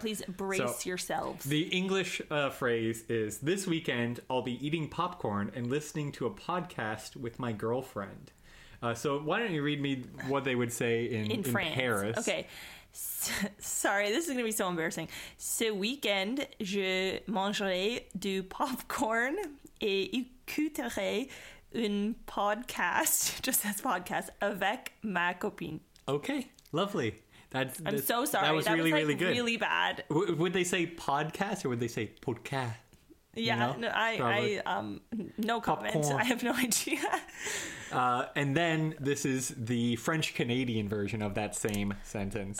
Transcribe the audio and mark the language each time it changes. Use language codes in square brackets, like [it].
[en] Please brace so, yourselves. The English phrase is: this weekend I'll be eating popcorn and listening to a podcast with my girlfriend. So why don't you read me what they would say in France. Paris? Okay. Sorry, this is going to be so embarrassing. [fr] Ce weekend, je mangerai du popcorn et écouterai un podcast, [en] just as podcast, [fr] avec ma copine. [en] Okay, lovely. I'm so sorry. That was that really, was like really good. Really bad. Would they say podcast or would they say podcast? Yeah, you know? I no comment. Popcorn. I have no idea. And then this is the French Canadian version of that same sentence.